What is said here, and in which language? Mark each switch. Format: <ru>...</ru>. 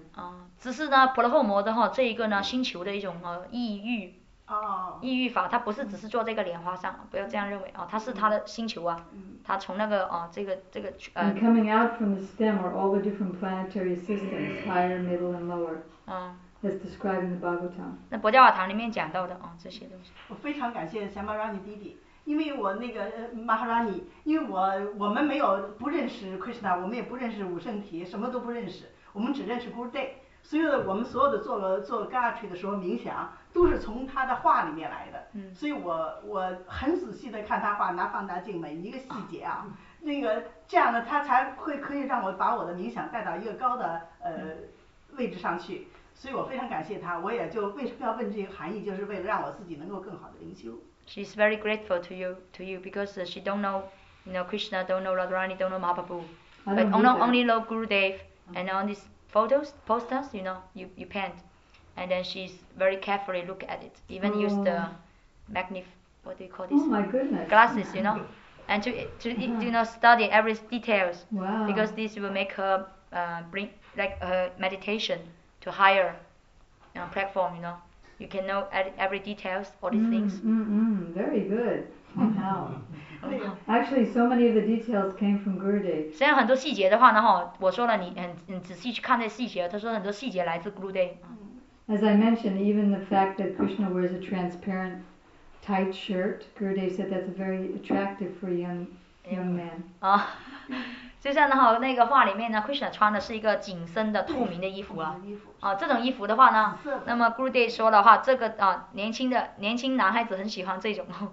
<zh>哦，只是呢，婆罗诃摩的哈这一个呢星球的一种意欲。哦，意欲法，它不是只是坐这个莲花上，不要这样认为哦，它是它的星球啊，它从那个哦，这个</zh> <en>And coming out from the stem are all the different planetary systems, higher, middle, and lower. 嗯，as described in the Bhagavatam.</en> <zh>那佛教法堂里面讲到的哦，这些东西。我非常感谢 Samarani 弟弟，因为我那个Maharani， 因为我们没有不认识 Krishna， 我们也不认识五圣体，什么都不认识，我们只认识 Guru Day。所以我们所有的做 Gayatri 的时候冥想都是从他的画里面来的，所以我很仔细的看他画，拿放大镜每一个细节啊，那个这样呢他才会可以让我把我的冥想带到一个高的位置上去，所以我非常感谢他。我也就为什么要问这个含义，就是为了让我自己能够更好的灵修。</zh> <en>She's very grateful to you because she don't know you know Krishna, don't know Radharani, don't know Mahaprabhu, but only know Gurudev and on thisphotos, posters, you know, you paint, and then she's very carefully look at it, even use the what do you call this? Oh my goodness. Glasses, you know, and to you know, study every details. Wow. Because this will make her bring, like, her meditation to higher you know, platform, you know. You can know every details, all these things. Very good. Wow. Actually, so many of the details came from Gurudev.</en> <zh>虽然很多细节的话呢，哈，我说了，你仔细去看这细节，他说很多细节来自 Gurudev.</zh> <en>As I mentioned, even the fact that Krishna wears a transparent tight shirt, Gurudev said that's very attractive for young men.</en> <zh>啊，就像呢，哈，那个画里面呢 ，Krishna 穿的是一个紧身的透明的衣服啊。啊，这种衣服的话呢，那么 Gurudev 说的话，这个啊，年轻男孩子很喜欢这种。</zh>